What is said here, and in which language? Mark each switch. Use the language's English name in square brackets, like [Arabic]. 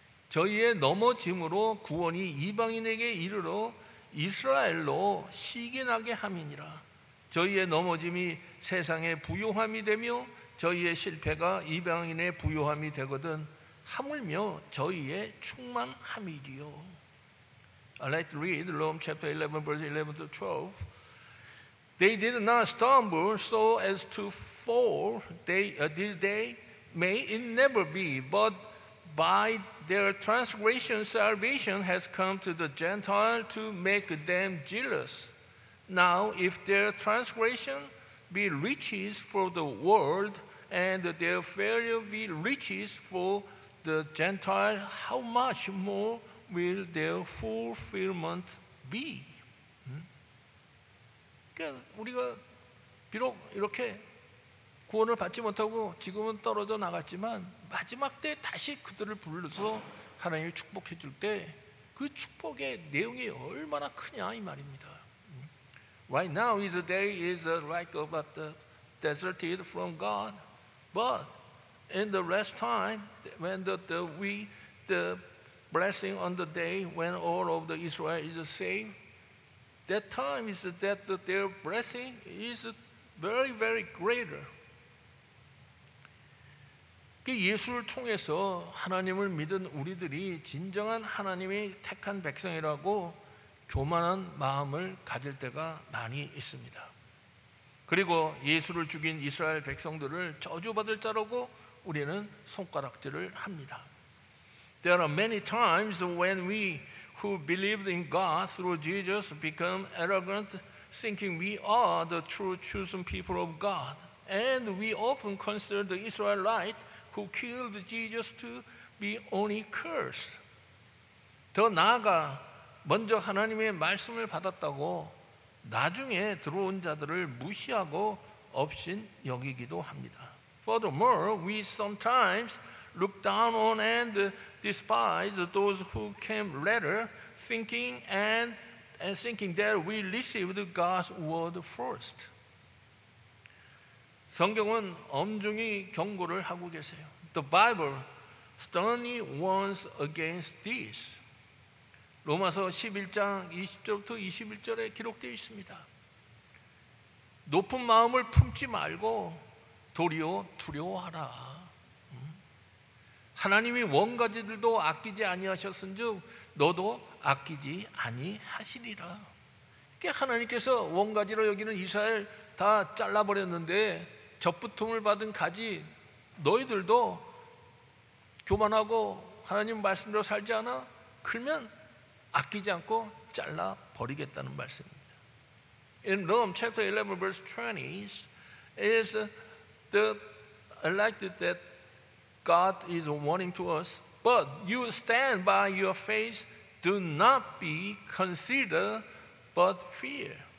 [Korean] 저희의 넘어짐으로 구원이 이방인에게 이르러 이스라엘로 시기나게 함이니라. 저희의 넘어짐이 세상의 부요함이 되며 저희의 실패가 이방인의 부요함이 되거든 하물며 저희의 충만함이리요. [English] I'd like to read Romans chapter 11 verse 11 to 12. They did not stumble so as to fall. Did they? May it never be. But by their transgression, salvation has come to the Gentile to make them jealous. Now if their transgression be riches for the world, and their failure be riches for the Gentile, how much more will their fulfillment be? [Korean] 그러니까 우리가 비록 이렇게 구원을 받지 못하고 지금은 떨어져 나갔지만 마지막 때 다시 그들을 불러서 하나님이 축복해 줄 때 그 축복의 내용이 얼마나 크냐 이 말입니다. [English] Right now is a day is like about the deserted from God. But in the rest time, when the blessing on the day when all of the Israel is saved, that time is that their blessing is very, very greater. [Korean] 예수를 통해서 하나님을 믿은 우리들이 진정한 하나님의 택한 백성이라고 교만한 마음을 가질 때가 많이 있습니다. 그리고 예수를 죽인 이스라엘 백성들을 저주받을 자라고 우리는 손가락질을 합니다. [English] There are many times when we who believed in God through Jesus become arrogant, thinking we are the true chosen people of God. And we often consider the Israelite who killed Jesus to be only cursed. [Korean] 더 나아가 먼저 하나님의 말씀을 받았다고 나중에 들어온 자들을 무시하고 업신 여기기도 합니다. [English] Furthermore, we sometimes look down on and despise those who came later, thinking that we received God's word first. [Korean] 성경은 엄중히 경고를 하고 계세요. [English] The Bible sternly warns against this. [Korean] 로마서 11장 20절부터 21절에 기록되어 있습니다. 높은 마음을 품지 말고 도리어 두려워하라. 하나님이 원가지들도 아끼지 아니하셨은즉 너도 아끼지 아니하시리라. 하나님께서 원가지로 여기는 이스라엘 다 잘라버렸는데 접붙음을 받은 가지 너희들도 교만하고 하나님 말씀대로 살지 않아? 그러면 아끼지 않고 잘라버리겠다는 말씀입니다. [English] In Rome chapter 11 verse 20 is the elect that God is warning to us, but you stand by your faith, do not be considered but fear.